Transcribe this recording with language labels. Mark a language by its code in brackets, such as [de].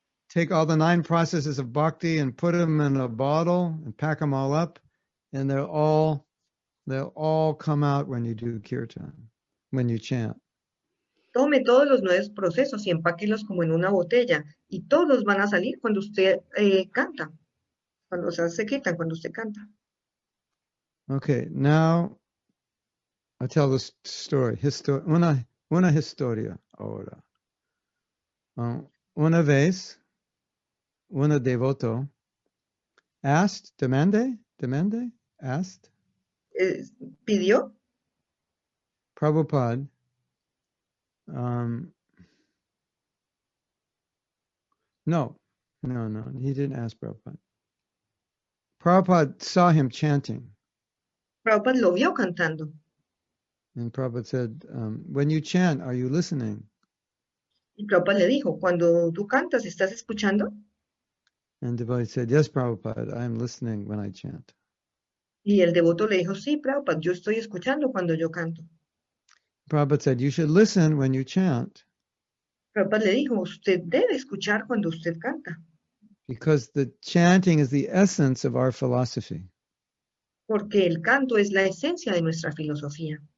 [en] Take all the nine processes of bhakti and put them in a bottle and pack them all up, and they'll all come out when you do kirtan, when you chant. [es] Tome todos los nueve procesos y empáquelos como en una botella y todos van a salir cuando usted canta, cuando se quitan, cuando usted canta. [en] Okay, now I tell the story. [es] Una historia ahora. Una vez, una devoto [en] asked, [es] demande, asked. Pidió. Prabhupada. [en] No, he didn't ask Prabhupada. Prabhupada saw him chanting. [es] Prabhupada lo vio cantando. [en] And Prabhupada said, when you chant, are you listening? [es] Y Prabhupada le dijo, cuando tú cantas, ¿estás escuchando? [en] And the devotee said, yes, Prabhupada, I am listening when I chant. [es] Y el devoto le dijo, sí, Prabhupada, yo estoy escuchando cuando yo canto. [en] Prabhupada said, you should listen when you chant. [es] Prabhupada le dijo, usted debe escuchar cuando usted canta. [en] Because the chanting is the essence of our philosophy. [es] Porque el canto es la esencia de nuestra filosofía.